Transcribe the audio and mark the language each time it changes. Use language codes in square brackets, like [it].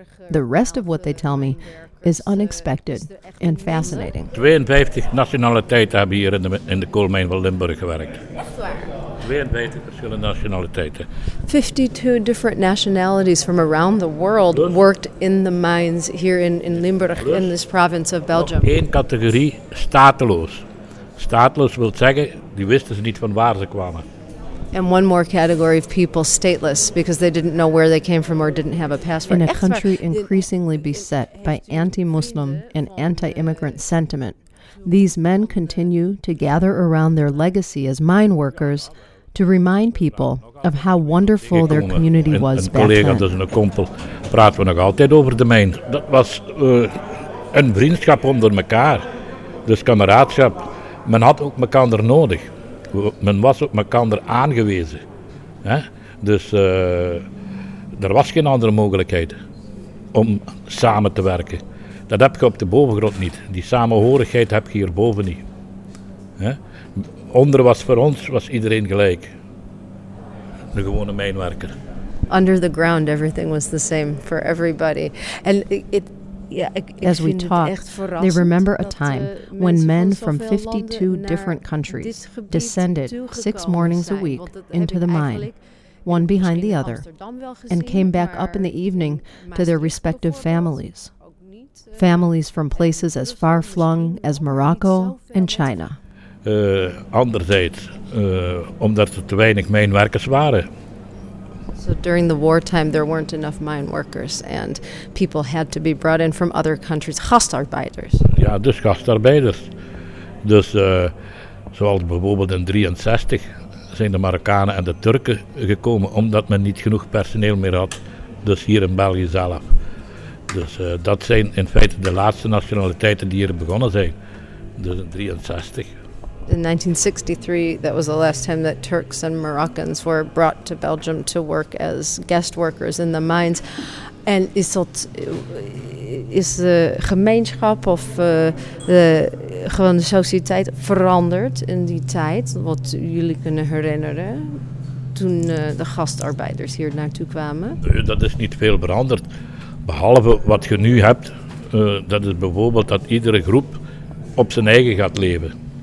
[en] The rest of what they tell me is unexpected and fascinating. [nl] 52 nationaliteiten hebben hier in de koolmijn van Limburg gewerkt. 52 verschillende nationaliteiten. [en] 52 different nationalities from around the world worked in the mines here in Limburg, in this province of Belgium. [nl] Eén categorie, stateloos. Stateloos wil zeggen, die wisten ze niet van waar ze kwamen. [en] And one more category of people, stateless, because they didn't know where they came from or didn't have a passport. In a country increasingly beset by anti-Muslim and anti-immigrant sentiment, these men continue to gather around their legacy as mine workers to remind people of how wonderful their community was back then. [nl] Een collega, dat is een kompel, praten we nog altijd over de mijn. Dat was een vriendschap onder elkaar, dus kameraadschap. Men had ook elkaar nodig. Men was op elkaar aangewezen. Hè? Dus er was geen andere mogelijkheid om samen te werken. Dat heb je op de bovengrond niet. Die samenhorigheid heb je hierboven niet. Hè? Onder was voor ons was iedereen gelijk. Een gewone mijnwerker. [en] Under the ground everything was the same for everybody. And it As we talk, they remember a time when men from 52 different countries descended 6 mornings a week into the mine, one behind the other, and came back up in the evening to their respective families. Families from places as far-flung as Morocco and China. [nl] Anderzijds, omdat er te weinig mijnwerkers waren. [en] So during the wartime, there weren't enough mine workers, and people had to be brought in from other countries, gastarbeiters. [nl] Ja, dus gastarbeiders. Dus zoals bijvoorbeeld in 1963 zijn de Marokkanen en de Turken gekomen, omdat men niet genoeg personeel meer had, dus hier in België zelf. Dus dat zijn in feite de laatste nationaliteiten die hier begonnen zijn, dus in 1963. [en] In 1963, that was the last time that Turks and Moroccans were brought to Belgium to work as guest workers in the mines. [nl] And is the gemeenschap of the sociëteit veranderd in die tijd, wat jullie kunnen herinneren, toen de gastarbeiders hier naartoe kwamen? Dat is niet veel veranderd. Behalve wat je nu hebt, dat is bijvoorbeeld dat iedere groep op zijn eigen gaat leven.